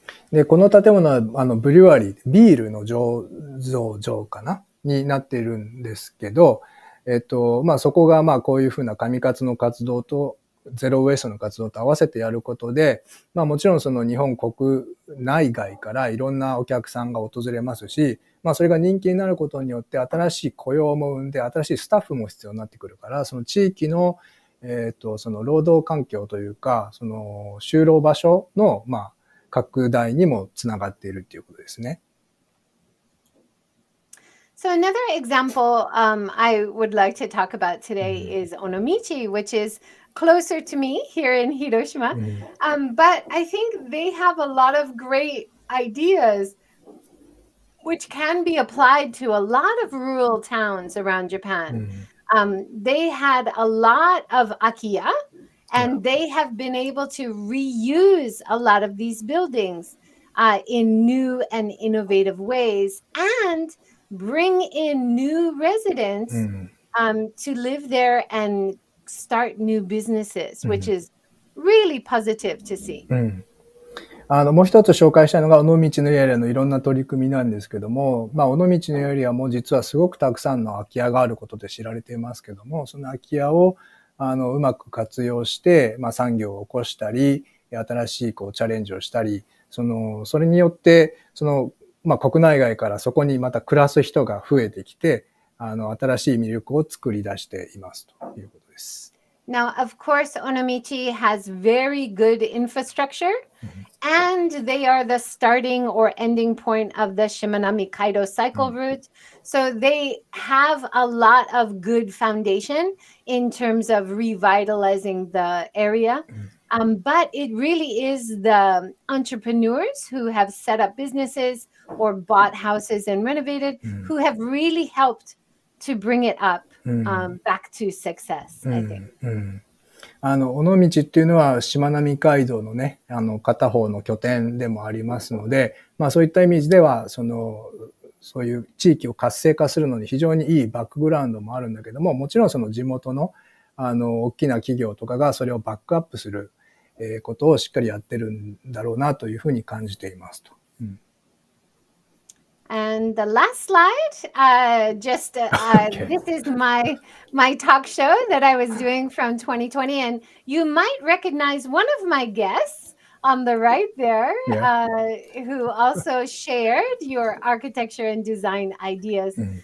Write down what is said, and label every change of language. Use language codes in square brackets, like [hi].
[ja] で、この建物はブリュワリー、ビールの醸造場かなになっているんですけど、まあそこがまあこういうふうな神活の活動とゼロウェイストの活動と合わせてやることで、まあもちろんその日本国内外からいろんなお客さんが訪れますし、まあそれが人気になることによって新しい雇用も生んで新しいスタッフも必要になってくるから、その地域の、その労働環境というか、その就労場所の、まあ拡大にもつながっているということですね。 [en] So another example, I would like to talk about today is Onomichi, which is closer to me here in Hiroshima. But I think they have a lot of great ideas which can be applied to a lot of rural towns around Japan. They had a lot of akiya and they have been able to reuse a lot of these buildings in new and innovative ways and bring in new residents to live there andstart new businesses, which is really positive to see. [ja] もう一つ紹介したいのが尾道のエリアのいろんな取り組みなんですけども、まあ、尾道のエリアも実はすごくたくさんの空き家があることで知られていますけども、その空き家をうまく活用して、まあ、産業を起こしたり、新しいこうチャレンジをしたり、それによって、まあ、国内外からそこにまた暮らす人が増えてきて、新しい魅力を作り出していますということ。 [en] Now, of course, Onomichi has very good infrastructure, and they are the starting or ending point of the Shimanami-Kaido cycle route. So they have a lot of good foundation in terms of revitalizing the area. But it really is the entrepreneurs who have set up businesses or bought houses and renovated who have really helped to bring it up. back to success, I think. [ja] 尾道っていうのは、しまなみ海道のね、片方の拠点でもありますので、まあそういったイメージでは、そういう地域を活性化するのに非常にいいバックグラウンドもあるんだけども、もちろんその地元の、大きな企業とかがそれをバックアップすることをしっかりやってるんだろうなというふうに感じていますと。 [en] And the last slide, this is my talk show that I was doing from 2020. And you might recognize one of my guests on the right there, who also shared your architecture and design ideas.